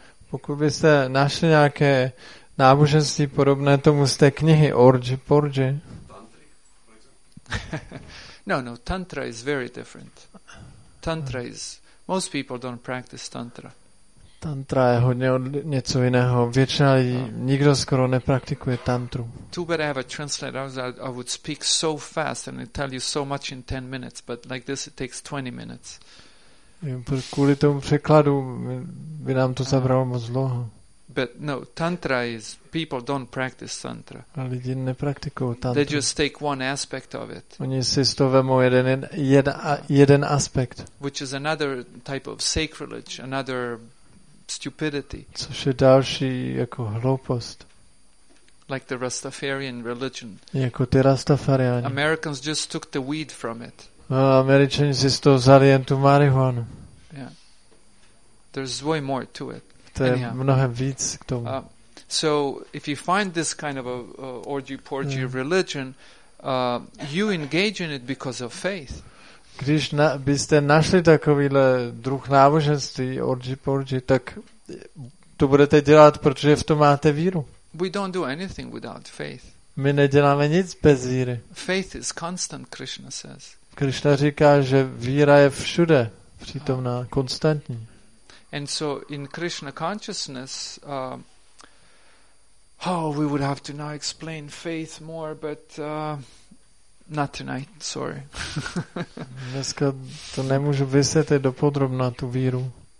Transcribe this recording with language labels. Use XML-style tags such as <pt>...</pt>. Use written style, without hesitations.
<cs>Pokud byste našli nějaké náboženství podobné tomu z té knihy Orgy Porgy.</cs> <en>No, tantra is very different. Tantra is most people don't practice tantra.</en> <cs>Tantra je hodně něco jiného. Většina lidí, nikdo skoro nepraktikuje tantru.</cs> <en>Too bad I have a translator. I would speak so fast and tell you so much in 10 minutes, but like this it takes 20 minutes.</en> <cs>Kvůli tomu překladu by nám to zabralo moc dlouho.</cs> <en>But no, tantra is people don't practice tantra.</en> <cs>A lidi nepraktikují tantru.</cs> <en>They just take one aspect of it.</en> <cs>Oni si z toho vemou jeden aspekt.</cs> <en>Which is another type of sacrilege, another stupidity.</en> <cs>Což je další jako hloupost.</cs> <en>Like the Rastafarian religion.</en> <cs>Jako ty Rastafariani.</cs> <en>Americans just took the weed from it.</en> <cs>Američani si z toho vzali jen tu marihuanu.</cs> <en>Yeah. There's way more to it.</en> <cs>To je mnohem víc k tomu.</cs> <en>So if you find this kind of a orgy porgy religion, you engage in it because of faith.</en> <cs>Když byste našli takovýhle druh náboženství orgy porgy, tak to budete dělat, protože v tom máte víru.</cs> <en>We don't do anything without faith.</en> <cs>My neděláme nic bez víry.</cs> <en>Faith is constant, Krishna says.</en> <cs>Krishna říká, že víra je všude přítomná, konstantní.</cs> <en>And so in Krishna consciousness, we would have to now explain faith more, but not tonight, sorry.</en> <cs>Dneska to nemůžu vysvětlit dopodrobna tu víru.</cs>